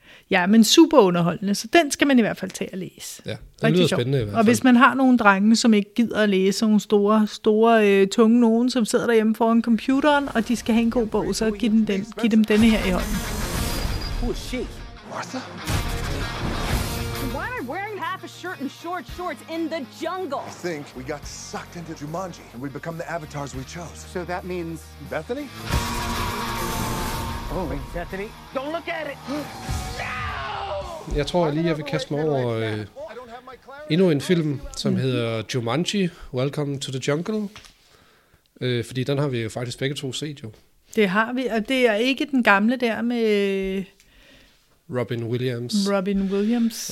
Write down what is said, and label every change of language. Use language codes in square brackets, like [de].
[da] Ja, men super underholdende, så den skal man i hvert fald tage at læse. Ja, det lyder spændende i hvert fald. Og hvis man har nogle drenge, som ikke gider at læse, nogle store, tunge nogen, som sidder derhjemme foran computeren, og de skal have en god bog, så giv dem denne her i hånden. [en] Who is she? Martha? Why am I wearing half a shirt and short shorts in the jungle? I think we got sucked into Jumanji, and we become the avatars we chose. So that means... Bethany? Oh. Wait, Bethany, don't look at it! [da] Jeg tror lige, jeg vil kaste mig over endnu en film, som hedder Jumanji, Welcome to the Jungle. Fordi den har vi jo faktisk begge to set jo. Det har vi, og det er ikke den gamle der med... Robin Williams.